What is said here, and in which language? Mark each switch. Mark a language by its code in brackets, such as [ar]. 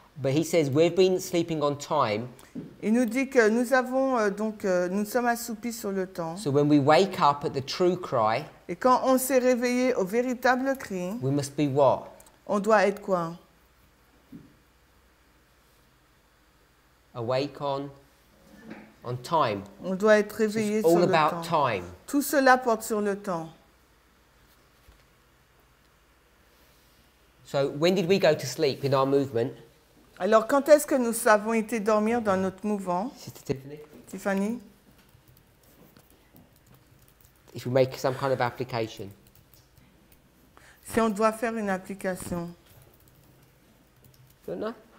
[en] But he says we've been sleeping on time. [fr] Il nous dit que nous avons donc nous sommes assoupis sur le temps. [en] So when we wake up at the true cry. [fr] Et quand on s'est réveillé au véritable cri. [en] We must be what? [fr] On doit être quoi? [en] Awake on time. [fr] On doit être réveillé [en] so [fr] sur le temps. [en] All about time. [fr] Tout cela porte sur le temps. [en] So when did we go to sleep in our movement? [fr] Alors, quand est-ce que nous avons été dormir dans notre mouvement? [en] Tiffany? If we make some kind of application. [fr] Si on doit faire une application. [en] Don't know.